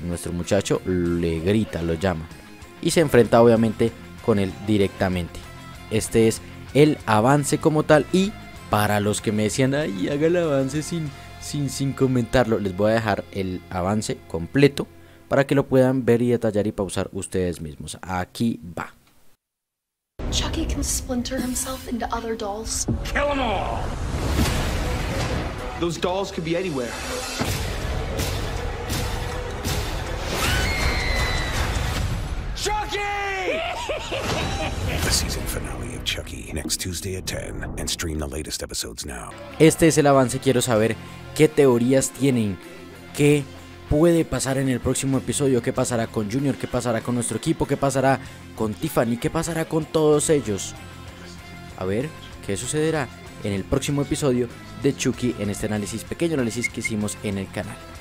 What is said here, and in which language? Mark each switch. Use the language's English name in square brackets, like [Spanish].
[Spanish] Nuestro muchacho le grita, lo llama y se enfrenta obviamente con él directamente. Este es el avance como tal. Y para los que me decían, ay, haga el avance sin comentarlo, les voy a dejar el avance completo para que lo puedan ver y detallar y pausar ustedes mismos. Aquí va. [English] Chucky can splinter himself into other dolls. Kill them all. Those dolls could be anywhere. Chucky! The season finale of Chucky, next Tuesday at 10, and stream the latest episodes now. [Spanish] Este es el avance. Quiero saber qué teorías tienen, qué puede pasar en el próximo episodio, qué pasará con Junior, qué pasará con nuestro equipo, qué pasará con Tiffany, qué pasará con todos ellos. A ver, ¿qué sucederá en el próximo episodio de Chucky en este análisis, pequeño análisis que hicimos en el canal?